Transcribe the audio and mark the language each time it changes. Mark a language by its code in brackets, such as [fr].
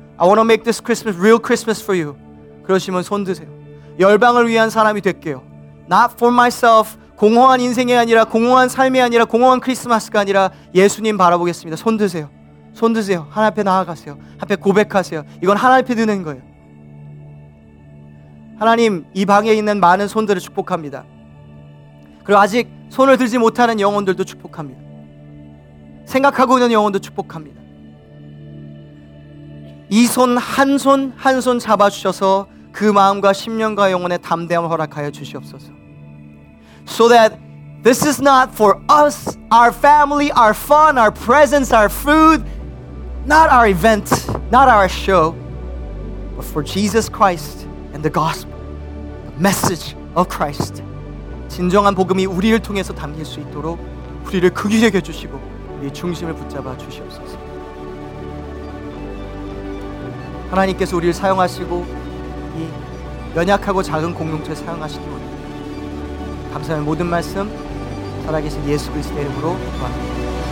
[en] I want to make this Christmas real Christmas for you. [ko] 그러시면 손 드세요. 열방을 위한 사람이 될게요. [en] Not for myself. [ko] 공허한 인생이 아니라 공허한 삶이 아니라 공허한 크리스마스가 아니라 예수님 바라보겠습니다. 손 드세요. 손 드세요. 하나님 앞에 나아가세요. 앞에 고백하세요. 이건 하나님 앞에 드는 거예요. 하나님 이 방에 있는 많은 손들을 축복합니다. 그리고 아직 손을 들지 못하는 영혼들도 축복합니다. 생각하고 있는 영혼도 축복합니다. 이 손 한 손 한 손 잡아주셔서 그 마음과 심령과 영혼의 담대함을 허락하여 주시옵소서. [en] So that this is not for us, our family, our fun, our presents, our food, not our event, not our show, but for Jesus Christ and the gospel, the message of Christ. [ko] 진정한 복음이 우리를 통해서 담길 수 있도록 우리를 극히 여겨주시고 우리의 중심을 붙잡아 주시옵소서. 하나님께서 우리를 사용하시고 이 연약하고 작은 공동체를 사용하시기 원합니다. 감사합니다. 모든 말씀 살아계신 예수 그리스도의 이름으로 기도합니다.